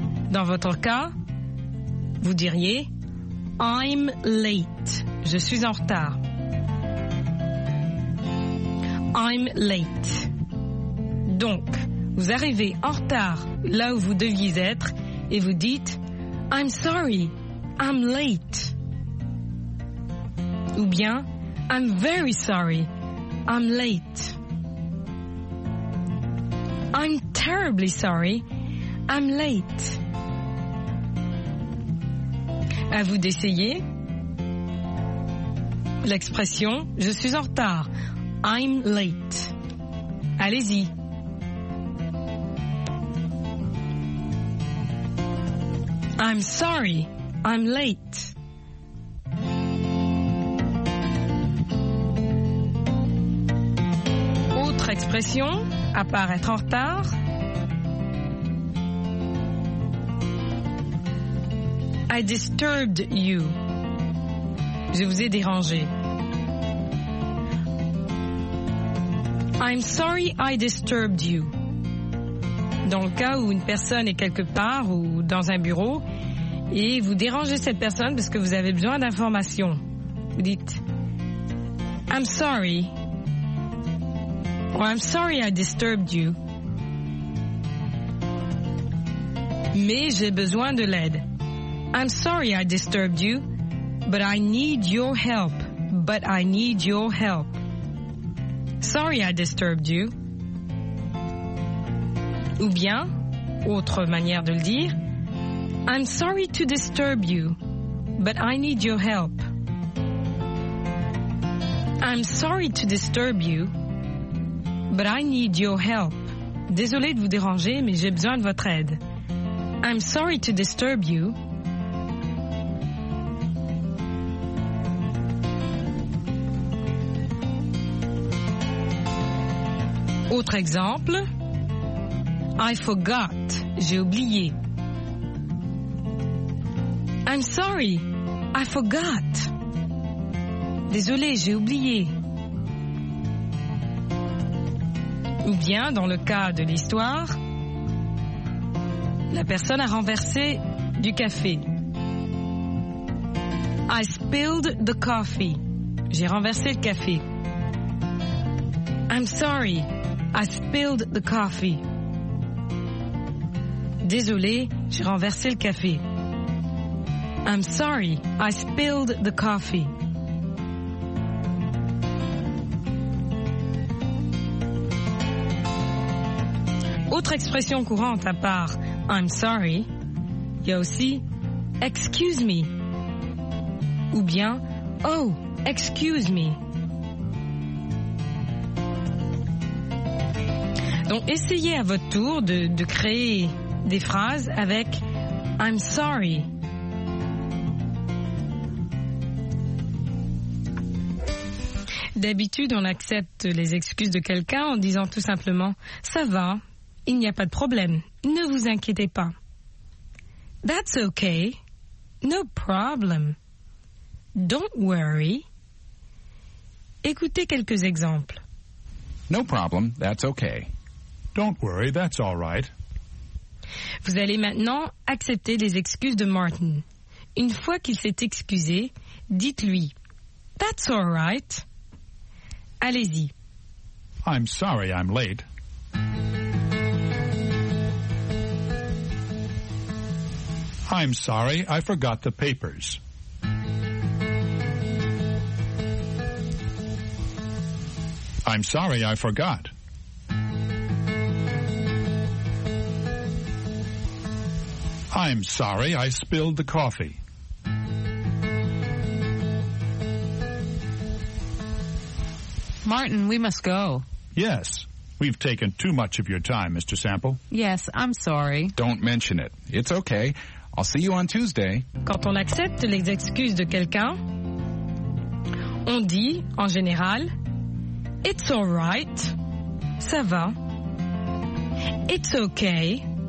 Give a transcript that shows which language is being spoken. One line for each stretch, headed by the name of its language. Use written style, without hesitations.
French: Dans votre cas, vous diriez
English: I'm late.
French: Je suis en retard.
English: I'm late.
French: Donc, vous arrivez en retard là où vous deviez être et vous dites
English: I'm sorry, I'm late.
French: Ou bien,
English: I'm very sorry, I'm late. I'm terribly sorry, I'm late.
French: À vous d'essayer l'expression, je suis en retard,
English: I'm late.
French: Allez-y.
English: I'm sorry, I'm late.
French: Expression, à part être en retard.
English: I disturbed you.
French: Je vous ai dérangé.
English: I'm sorry I disturbed you.
French: Dans le cas où une personne est quelque part ou dans un bureau et vous dérangez cette personne parce que vous avez besoin d'informations. Vous dites
English: I'm sorry. Well, I'm sorry I disturbed you.
French: Mais j'ai besoin de l'aide.
English: I'm sorry I disturbed you, but I need your help. But I need your help. Sorry I disturbed you.
French: Ou bien, autre manière de le dire,
English: I'm sorry to disturb you, but I need your help. I'm sorry to disturb you, but I need your help.
French: Désolé de vous déranger, mais j'ai besoin de votre aide.
English: I'm sorry to disturb you.
French: Autre exemple.
English: I forgot.
French: J'ai oublié.
English: I'm sorry. I forgot.
French: Désolé, j'ai oublié. Ou bien, dans le cas de l'histoire, la personne a renversé du café.
English: I spilled the coffee.
French: J'ai renversé le café.
English: I'm sorry. I spilled the coffee.
French: Désolé, j'ai renversé le café.
English: I'm sorry, I spilled the coffee.
French: Autre expression courante à part
English: I'm sorry,
French: il y a aussi
English: excuse me.
French: Ou bien oh,
English: excuse me.
French: Donc essayez à votre tour de créer des phrases avec
English: I'm sorry.
French: D'habitude, on accepte les excuses de quelqu'un en disant tout simplement « Ça va, il n'y a pas de problème, ne vous inquiétez pas. »«
English: That's okay, no problem, don't worry. »
French: Écoutez quelques exemples.
English: « No problem, that's okay. Don't worry, that's all right. »
French: Vous allez maintenant accepter les excuses de Martin. Une fois qu'il s'est excusé, dites-lui «
English: That's all right.
French: » Allez-y.
English: I'm sorry I'm late. I'm sorry I forgot the papers. I'm sorry I forgot. I'm sorry I spilled the coffee. Martin, we must go. Yes. We've taken too much of your time, Mr. Sample. Yes, I'm sorry. Don't mention it. It's okay. I'll see you on Tuesday.
French: Quand on accepte les excuses de quelqu'un, on dit, en général,
English: It's all right.
French: Ça va.
English: It's okay.